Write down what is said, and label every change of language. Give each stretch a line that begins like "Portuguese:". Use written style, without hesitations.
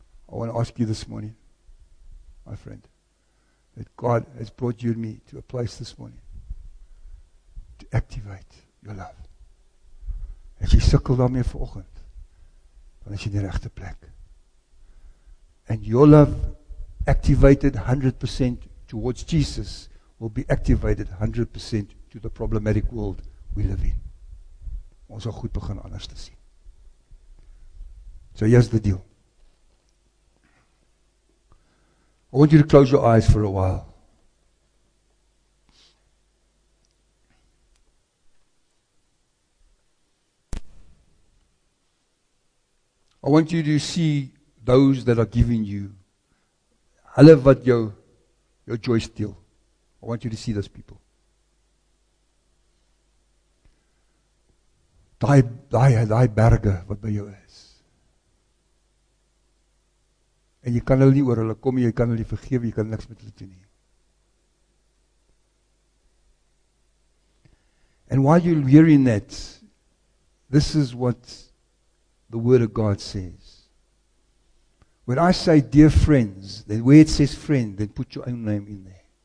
English: I want to ask you this morning, my friend, that God has brought you and me to a place this morning to activate your love.
Afrikaans: As jy sukkel daarmee vanoggend, dan is jy in die regte plek.
English: And your love activated 100% towards Jesus will be activated 100% to the problematic world we live in.
Afrikaans: Ons sal goed begin anders te sien.
English: So here's the deal. I want you to close your eyes for a while. I want you to see those that are giving you
Afrikaans: hulle wat jou
English: joy steal. I want you to see those people.
Afrikaans: Die berge wat by jou is. En jy kan hulle nie oor hulle kom, jy kan hulle nie vergewe, jy kan niks met hulle doen nie.
English: And while you're hearing that, this is what the Word of God says. When I say dear friends, then where it says friend, then put your own name in there.